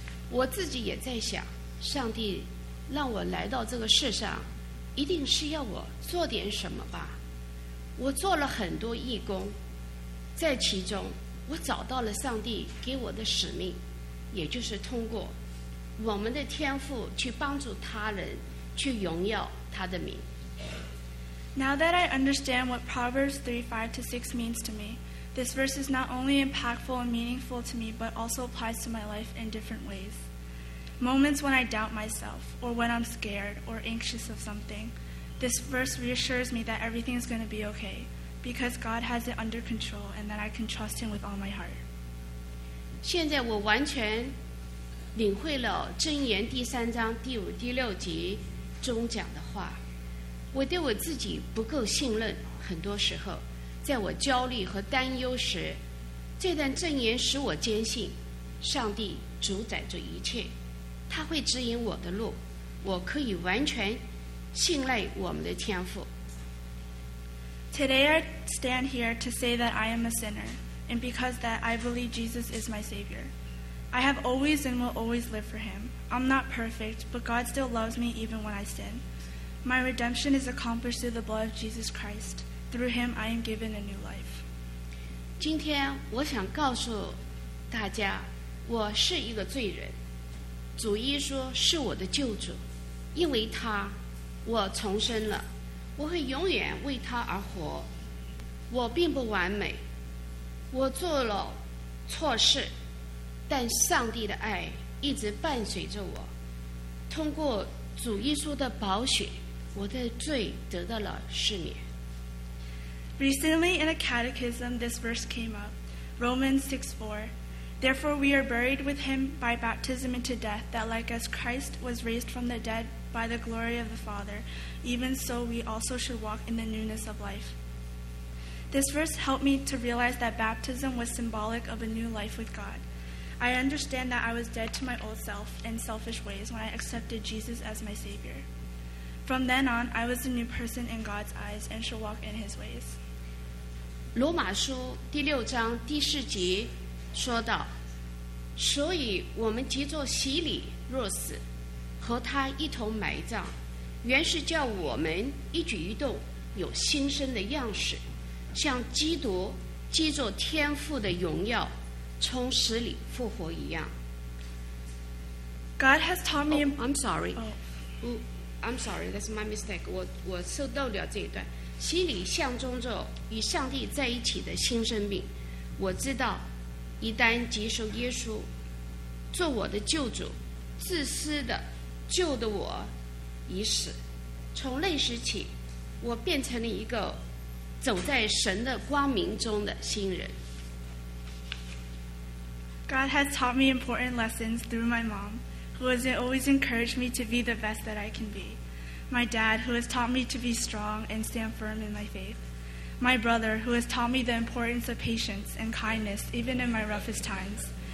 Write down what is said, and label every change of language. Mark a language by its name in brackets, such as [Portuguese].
[Chinese] 我自己也在想，上帝让我来到这个世上，一定是要我做点什么吧。我做了很多义工，在其中我找到了上帝给我的使命，也就是通过我们的天赋去帮助他人，去荣耀他的名。 [English] Now that I understand what Proverbs 3:5-6 means to me, this verse is not only impactful and meaningful to me, but also applies to my life in different ways. Moments when I doubt myself, or when I'm scared or anxious of something, this verse reassures me that everything is going to be okay, because God has it under control and that I can trust Him with all my heart. [Chinese] 现在我完全领会了箴言3:5-6中讲的话。我对我自己不够信任，很多时候在我焦虑和担忧时，这段箴言使我坚信上帝主宰着一切，他会指引我的路，我可以完全信赖我们的天父。 [English] Today I stand here to say that I am a sinnerAnd because that, I believe Jesus is my Savior. I have always and will always live for Him. I'm not perfect, but God still loves me even when I sin. My redemption is accomplished through the blood of Jesus Christ. Through Him, I am given a new life. [Chinese] 今天我想告诉大家，我是一个罪人。主耶稣是我的救主，因为他，我重生了。我会永远为他而活。我并不完美。我做了错事，但上帝的爱一直伴随着我。通过主耶稣的宝血，我的罪得到了赦免。 [English] Recently in a catechism, this verse came up, Romans 6:4. Therefore we are buried with him by baptism into death, that like as Christ was raised from the dead by the glory of the Father, even so we also should walk in the newness of life. This verse helped me to realize that baptism was symbolic of a new life with God. I understand that I was dead to my old self and selfish ways when I accepted Jesus as my Savior. From then on, I was a new person in God's eyes and should walk in His ways. [Chinese] 罗马书第六章第四节说道，所以我们藉着洗礼若死，和他一同埋葬，原是叫我们一举一动有新生的样式。像基督借着天父的荣耀从死里复活一样。 [English] God has taught me. I'm sorry. That's my mistake. [Chinese] 我受到了这一段。洗礼象征着与上帝在一起的新生命。我知道，一旦接受耶稣做我的救主，自私的救的我已死。从那时起，我变成了一个。走在神的光明中的新人。 [English] God has taught me important lessons through my mom, who has always encouraged me to be the best that I can be. My dad, who has taught me to be strong and stand firm in my faith. My brother, who has taught me the importance of patience and kindness, even in my roughest times.